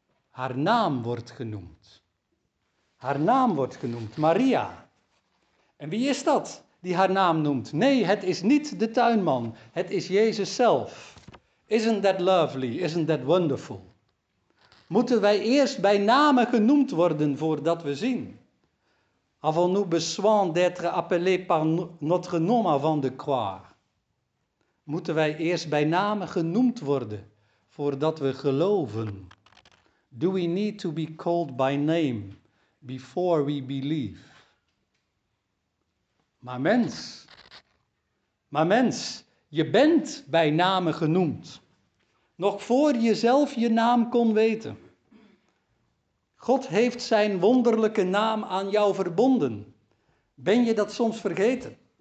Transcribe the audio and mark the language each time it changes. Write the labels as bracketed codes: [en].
[nl] Haar naam wordt genoemd. Haar naam wordt genoemd, Maria. En wie is dat die haar naam noemt? Nee, het is niet de tuinman. Het is Jezus zelf. [en] Isn't that lovely? Isn't that wonderful? [nl] Moeten wij eerst bij namen genoemd worden voordat we zien? [fr] Avons-nous besoin d'être appelés par notre nom avant de croire? [nl] Moeten wij eerst bij namen genoemd worden voordat we geloven? [en] Do we need to be called by name before we believe? [nl] Maar mens, je bent bij namen genoemd. Nog voor jezelf je naam kon weten. God heeft zijn wonderlijke naam aan jou verbonden. Ben je dat soms vergeten?